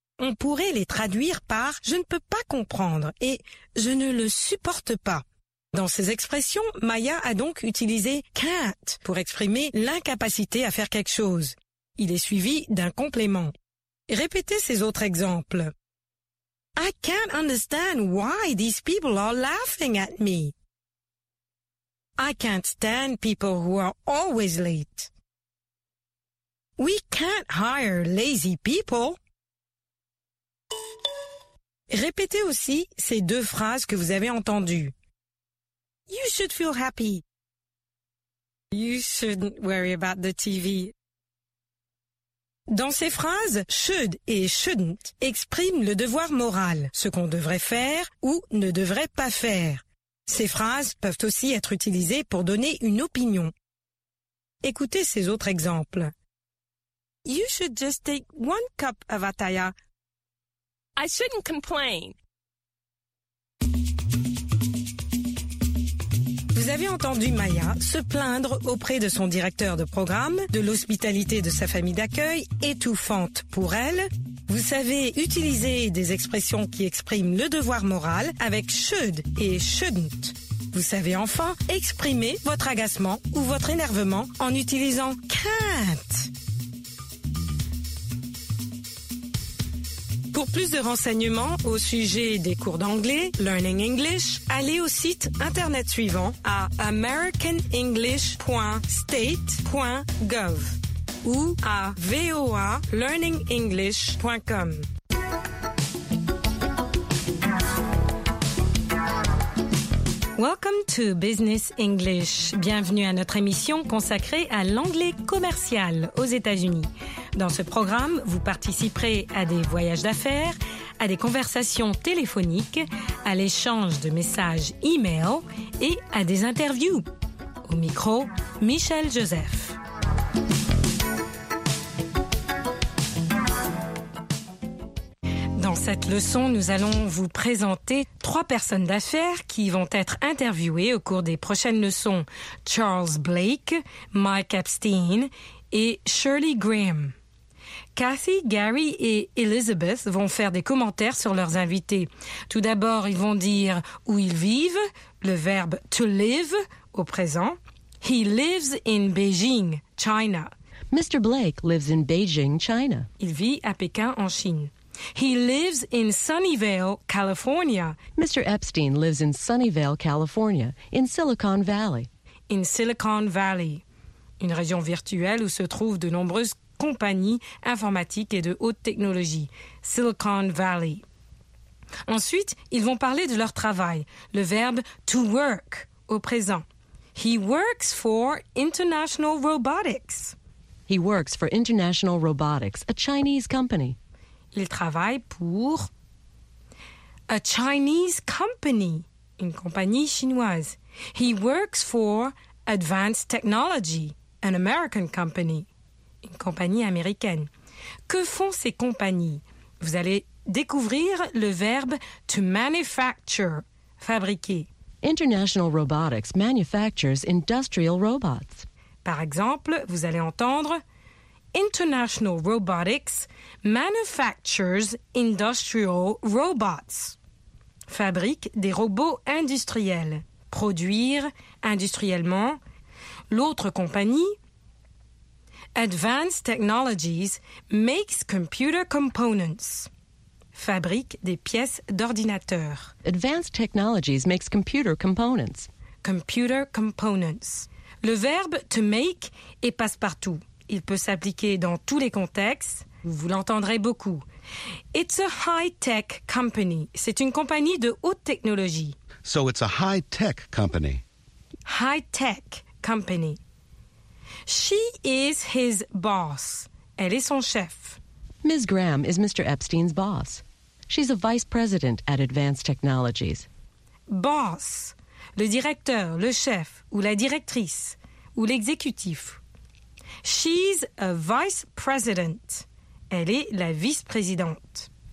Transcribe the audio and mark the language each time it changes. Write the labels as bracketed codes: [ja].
[fr] On pourrait les traduire par « je ne peux pas comprendre » et « je ne le supporte pas ». Dans ces expressions, Maya a donc utilisé « can't » pour exprimer l'incapacité à faire quelque chose. Il est suivi d'un complément. Répétez ces autres exemples. [en] « I can't understand why these people are laughing at me. » « I can't stand people who are always late. » « We can't hire lazy people. » [fr] Répétez aussi ces deux phrases que vous avez entendues. [en] You should feel happy. You shouldn't worry about the TV. [fr] Dans ces phrases, should et shouldn't expriment le devoir moral, ce qu'on devrait faire ou ne devrait pas faire. Ces phrases peuvent aussi être utilisées pour donner une opinion. Écoutez ces autres exemples. You should just take one cup of Ataya. I shouldn't complain. Vous avez entendu Maya se plaindre auprès de son directeur de programme de l'hospitalité de sa famille d'accueil étouffante pour elle. Vous savez utiliser des expressions qui expriment le devoir moral avec should et shouldn't. Vous savez enfin exprimer votre agacement ou votre énervement en utilisant can't. Pour plus de renseignements au sujet des cours d'anglais, Learning English, allez au site internet suivant à americanenglish.state.gov ou à voalearningenglish.com. [en] Welcome to Business English. [fr] Bienvenue à notre émission consacrée à l'anglais commercial aux États-Unis. Dans ce programme, vous participerez à des voyages d'affaires, à des conversations téléphoniques, à l'échange de messages e-mail et à des interviews. Au micro, Michel Joseph. Dans cette leçon, nous allons vous présenter trois personnes d'affaires qui vont être interviewées au cours des prochaines leçons. Charles Blake, Mike Epstein et Shirley Graham. Kathy, Gary et Elizabeth vont faire des commentaires sur leurs invités. Tout d'abord, ils vont dire où ils vivent, le verbe to live au présent. [en] He lives in Beijing, China. Mr. Blake lives in Beijing, China. [fr] Il vit à Pékin, en Chine. [en] He lives in Sunnyvale, California. Mr. Epstein lives in Sunnyvale, California, in Silicon Valley. [fr] In Silicon Valley, une région virtuelle où se trouvent de nombreuses compagnies informatiques et de haute technologie. Silicon Valley. Ensuite, ils vont parler de leur travail. Le verbe to work au présent. [en] He works for International Robotics. He works for International Robotics, a Chinese company. [fr] Il travaille pour [en] a Chinese company, [fr] une compagnie chinoise. [en] He works for Advanced Technology, an American company. [fr] Une compagnie américaine. Que font ces compagnies? Vous allez découvrir le verbe to manufacture, fabriquer. [en] International Robotics manufactures industrial robots. [fr] Par exemple, vous allez entendre [en] International Robotics manufactures industrial robots. [fr] Fabrique des robots industriels. Produire industriellement. L'autre compagnie, [en] Advanced Technologies makes computer components. [fr] Fabrique des pièces d'ordinateur. [en] Advanced Technologies makes computer components. Computer components. [fr] Le verbe to make est passe-partout. Il peut s'appliquer dans tous les contextes. Vous l'entendrez beaucoup. [en] It's a high-tech company. [fr] C'est une compagnie de haute technologie. [en] So it's a high-tech company. High-tech company. She is his boss. [fr] Elle est son chef. [en] Ms. Graham is Mr. Epstein's boss. She's a vice president at Advanced Technologies. Boss. [fr] Le directeur, le chef, ou la directrice, ou l'exécutif. [en] She's a vice president. [fr] Elle est la vice-présidente.